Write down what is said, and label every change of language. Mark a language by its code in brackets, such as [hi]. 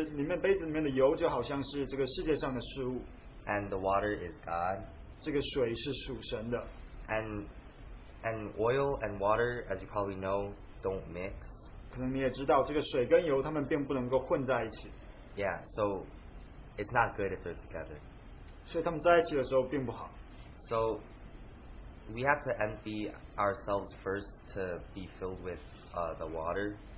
[zh] 我自己觉得这个油好像就是里面杯子里面的油就好像是这个世界上的事物。 [en] And the water is God. [zh] 这个水是属神的。 [en] And oil and water, as you probably know, don't mix. [zh] 可能你也知道，这个水跟油它们并不能够混在一起。 [en] Yeah, so it's not good if they're together. [zh] 所以它们在一起的时候并不好。 [en] So we have to empty ourselves first to be filled with the water.